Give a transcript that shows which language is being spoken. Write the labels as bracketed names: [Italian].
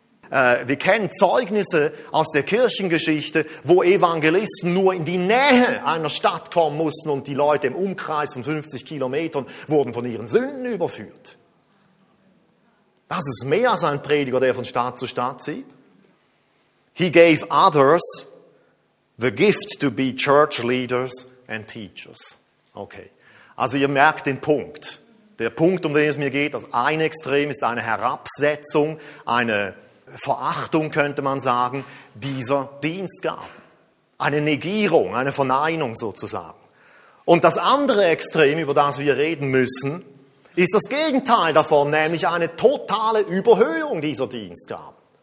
[German] Wir kennen Zeugnisse aus der Kirchengeschichte, wo Evangelisten nur in die Nähe einer Stadt kommen mussten und die Leute im Umkreis von 50 Kilometern wurden von ihren Sünden überführt. Das ist mehr als ein Prediger, der von Stadt zu Stadt zieht. [English] He gave others the gift to be church leaders and teachers. [German] Okay, also ihr merkt den Punkt. Der Punkt, um den es mir geht, dass ein Extrem ist eine Herabsetzung, eine Verachtung, könnte man sagen, dieser Dienstgaben. Eine Negierung, eine Verneinung sozusagen. Und das andere Extrem, über das wir reden müssen, ist das Gegenteil davon, nämlich eine totale Überhöhung dieser Dienstgaben.